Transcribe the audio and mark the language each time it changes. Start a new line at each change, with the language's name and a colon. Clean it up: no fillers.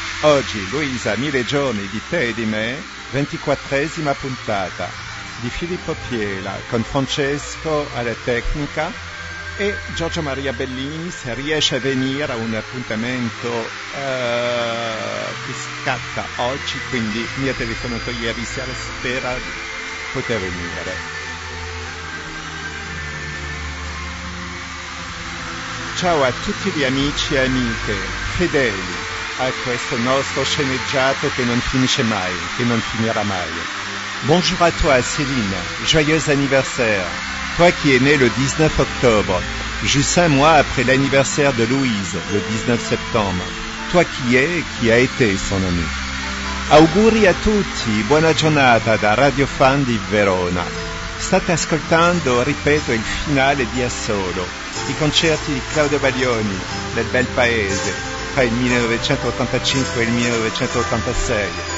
Italian: Oggi, Luisa, mille giorni di te e di me, 24esima puntata di Filippo Piela con Francesco alla tecnica e Giorgio Maria Bellini, se riesce a venire a un appuntamento che scatta oggi, quindi mi ha telefonato ieri sera, spera di poter venire. Ciao a tutti gli amici e amiche fedeli a questo nostro sceneggiato che non finisce mai, che non finirà mai.
French: Bonjour à toi Céline, joyeux anniversaire. Toi qui es née le 19 octobre, juste un mois après l'anniversaire de Louise, le 19 septembre. Toi qui es et qui a été son amie.
Italian: Auguri a tutti, buona giornata da Radio Fan di Verona. State ascoltando, ripeto, il finale di Assolo, i concerti di Claudio Baglioni nel Bel Paese tra il 1985 e il 1986.